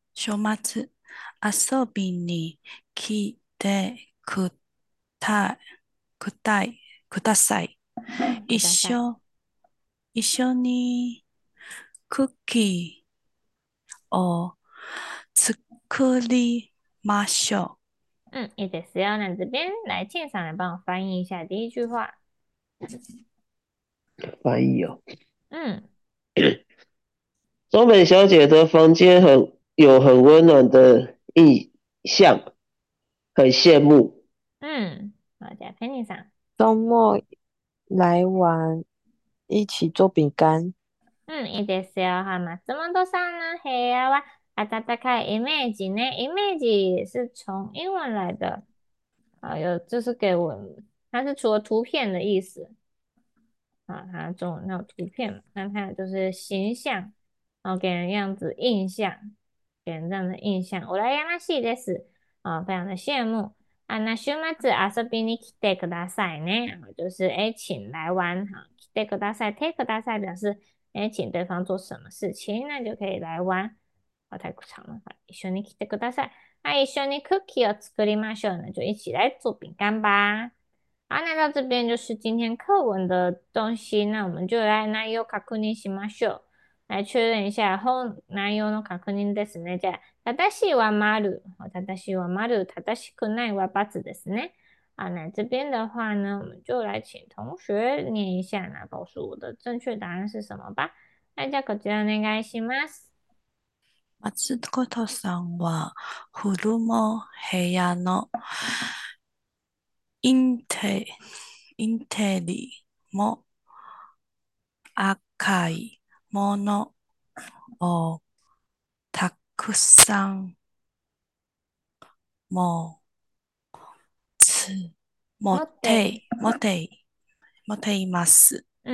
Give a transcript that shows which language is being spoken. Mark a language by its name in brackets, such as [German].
[Japanese] 週末、遊びに来てください。ください。一緒にクッキーを作りましょいいですよ。 [Chinese] 那这边来，庆生来帮我翻译一下第一句话。翻译哦。松本小姐的房间有很温暖的印象，很羡慕。好，加陪你上。周末来玩。一起做饼干。 [Japanese] いいですよ。はい、松本さんの部屋は暖かいイメージね。 [Chinese] イメージ是从英文来的。还有就是给我，它是除了图片的意思。啊，它中文叫图片，那它就是形象，然后给人样子印象，给人这样的印象。 [Japanese] うらやましいです。 [Chinese] 啊，非常的羡慕。 [Japanese] あ、那週末遊びに来てくださいね。 [Chinese] 就是请来玩。好， [Japanese] 来てください。来てください [Chinese] 表示。请对方做什么事情，那就可以来玩。太长了， [Japanese] 一緒に来てください。一緒にクッキーを作りましょう。 [Chinese] 那就一起来做饼干吧。好，那到这边就是今天课文的东西。那我们就来 [Japanese] 内容確認しましょう。 [Chinese] 来确认一下 [Japanese] 本内容の確認ですね。じゃあ、正しいは丸。正しいは丸。正しくないは×ですね。 [Chinese] 好，那这边的话呢，我们就来请同学念一下，那告诉我的正确答案是什么吧。 [Japanese] 大家こちらお願いします。松本さんは古も部屋のインテリも赤いものをたくさん持っています。